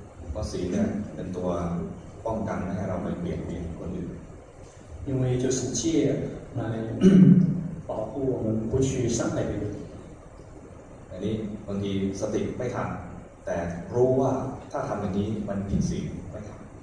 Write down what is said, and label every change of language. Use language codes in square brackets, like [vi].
[th] เพราะศีลเนี่ยเป็นตัวป้องกันให้เราไม่เบียดเบียนคนอื่น [zh] 因为就是戒来保护我们不去伤害别人 [th] อันนี้บางทีสติไม่ทันแต่รู้ว่าถ้าทำแบบนี้มันผิดศีลไม่ทำ